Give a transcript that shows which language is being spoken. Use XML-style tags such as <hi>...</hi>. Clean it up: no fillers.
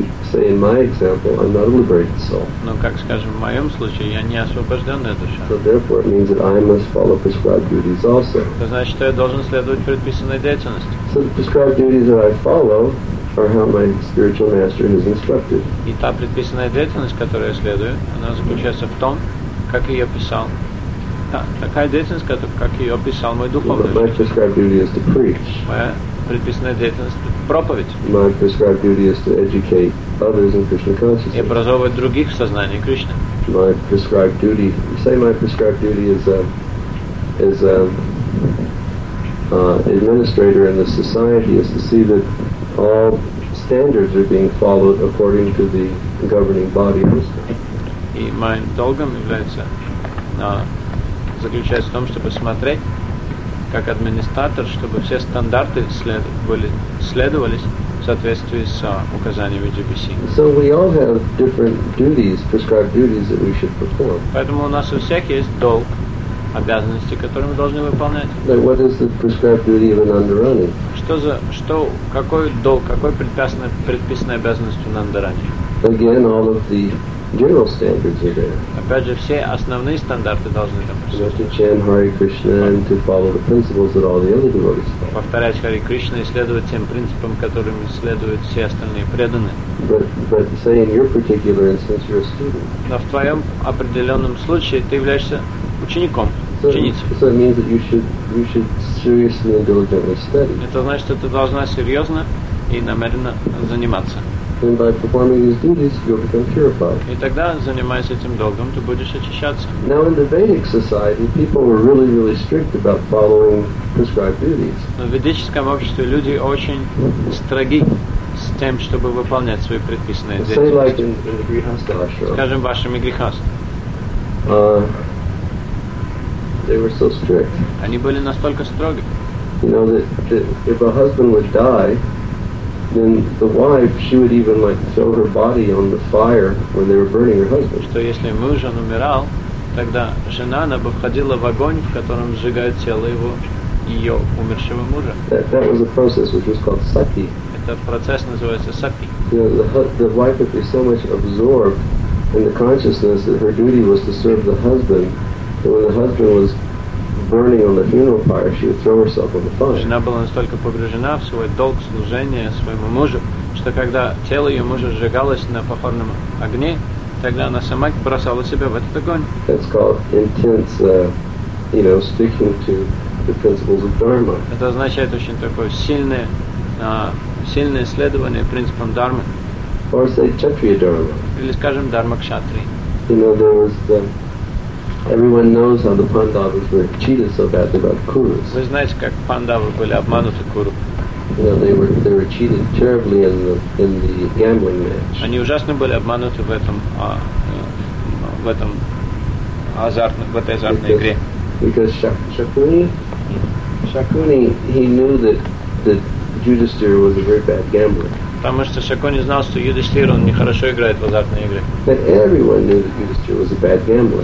<en>say in my example, I'm not a liberated soul.</en> <ru>Но как скажем в моем случае, я не освобожденная душа.</ru> <en>So therefore, it means that I must follow prescribed duties also.</en> <ru>Это значит, что я должен следовать предписанной деятельности.</ru> <en>So the prescribed duties that I follow are how my spiritual master has instructed.</en> <ru>И та предписанная деятельность, которую я следую, она заключается в том, как ее писал. Такая деятельность, как ее описал мой духовный учитель.</ru> <en>My prescribed duty is to preach.</en> <ru>Моя предписанная деятельность – проповедь.</ru> <en>My prescribed duty is to educate others in Krishna consciousness.</en> <ru>И образовывать других в сознании Кришны.</ru> <en>My prescribed duty, say my prescribed duty is a administrator in the society is to see that all standards are being followed according to the governing body.</en> <ru>И моим долгом является заключается в том, чтобы смотреть как администратор, чтобы все стандарты следовались в соответствии с указаниями GPC.</ru> <en>So we all have different duties, prescribed duties that we should perform.</en> <ru>Поэтому у нас у всех есть долг, обязанности, которые мы должны выполнять.</ru> <en>Like what is the prescribed duty of a Nandarani?</en> <ru>Какой долг, какой предписанная обязанность у Нандарани?</ru> <en>Again, all of the general standards are there.</en> <ru>Опять же, все основные стандарты должны там присутствовать.</ru> <en>To chant Hare Krishna and to follow the principles that all the other devotees follow.</en> <ru>Повторять Hare Krishna и следовать тем принципам, которым следуют все остальные преданные.</ru> <en>But say in your particular instance, you're a student.</en> <ru>Но в твоем определенном случае ты являешься учеником, ученицей.</ru> <en>So it means that you should seriously and diligently study.</en> <ru>Это значит, что ты должна серьезно и намеренно заниматься.</ru> <en>And by performing these duties, you'll become purified.</en> <ru>И тогда, занимаясь этим долгом, ты будешь очищаться.</ru> <en>Now in the Vedic society, people were really, really strict about following prescribed duties.</en> <ru>В ведическом обществе люди очень строги с тем, чтобы выполнять свои предписанные</ru> <en>duties. Say like in the Grihastha ashram.</en> <ru>Скажем, в вашем Грихастхе.</ru> <en>They were so strict.</en> <ru>Они были настолько строги.</ru> <en>You know that if a husband would die, then the wife, she would even like throw her body on the fire when they were burning her husband.</en> <ru>Что если муж умирал, тогда жена, она бы входила в огонь, в котором сжигают тело его, ее умершего мужа.</ru> <en>That was a process which was called sati.</en> <ru>Этот процесс называется сати.</ru> <en>The wife would be so much absorbed in the consciousness that her duty was to serve the husband, that when the husband was burning on the funeral pyre, she would throw herself on the fire.</en> <ru>Жена была настолько погружена в свой долг служения своему мужу, что когда тело ее мужа сжигалось на похоронном огне, тогда она сама бросала себя в этот огонь.</ru> <en>That's called intense, sticking to the principles of dharma.</en> <ru>Это означает очень такое сильное следование принципам дармы.</ru> <en>Or say kshatriya dharma.</en> <ru>Или скажем дарма кшатри.</ru> <en>Everyone knows how the Pandavas were cheated so badly by the Kurus.</en> <ru>Вы знаете, как Пандавы были обмануты Куру.</ru> <en>They were cheated terribly in the gambling match.</en> <ru>Они ужасно были обмануты в этой азартной игре.</ru> <en>Because Shakuni, he knew that Yudhishthira was a very bad gambler.</en> <ru>Потому что Шакуни знал, что Юдиштир он нехорошо играет в азартные игры.</ru> <en>But everyone knew that Yudhishthira was a bad gambler.</en>